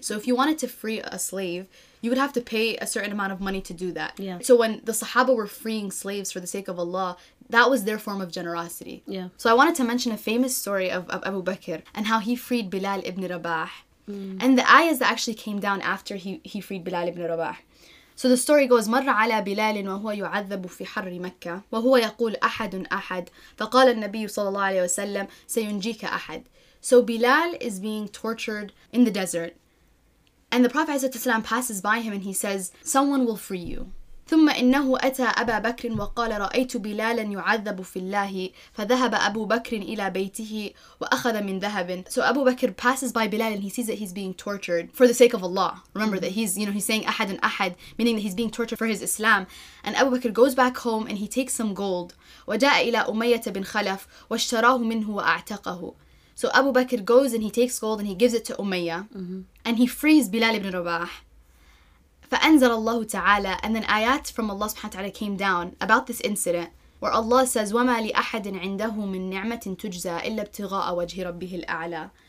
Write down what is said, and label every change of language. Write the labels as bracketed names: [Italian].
[English] So if you wanted to free a slave, you would have to pay a certain amount of money to do that. Yeah. So when the Sahaba were freeing slaves for the sake of Allah, that was their form of generosity. Yeah. So I wanted to mention a famous story of Abu Bakr and how he freed Bilal ibn Rabah. Mm. And the ayahs that actually came down after he freed Bilal ibn Rabah. [Arabic] So the story goes, مر على بلال وهو يعذب في حر مكة وهو يقول أحد أحد فقال النبي صلى الله عليه وسلم سينجيك أحد. [English] So Bilal is being tortured in the desert. And the Prophet ﷺ passes by him and he says, someone will free you. [Arabic] ثم إنه أتى أبا بكر وقال رأيت بلالا يعذب في الله فذهب أبو بكر إلى بيته وأخذ من ذهب. [English] So Abu Bakr passes by Bilal and he sees that he's being tortured for the sake of Allah. Remember that he's saying [Arabic] أحد أحد, [English] meaning that he's being tortured for his Islam. And Abu Bakr goes back home and he takes some gold. [Arabic] وجاء إلى أمية بن خلف واشتراه منه وأعتقه. [English] So Abu Bakr goes and he takes gold and he gives it to Umayyah, and he frees Bilal ibn Rabah. [Arabic] فأنزل الله تعالى, [English] and then ayat from Allah subhanahu wa ta'ala came down about this incident. Where Allah says, [Arabic] وَمَا لِأَحَدٍ عِنْدَهُ مِنْ نِعْمَةٍ تُجْزَى إِلَّا ابْتِغَاءَ وَجْهِ رَبِّهِ الْأَعْلَى.